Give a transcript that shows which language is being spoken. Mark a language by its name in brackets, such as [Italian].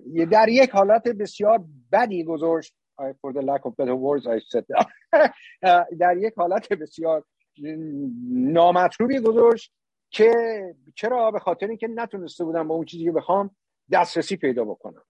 [Persian] در یک حالت بسیار بدی گذاشت. [English] For the lack of better words, I said that. [Persian] در یک حالت بسیار نامطلوبی گذاشت که چرا؟ به خاطر اینکه نتونسته بودم با اون چیزی که بخوام دسترسی پیدا بکنم.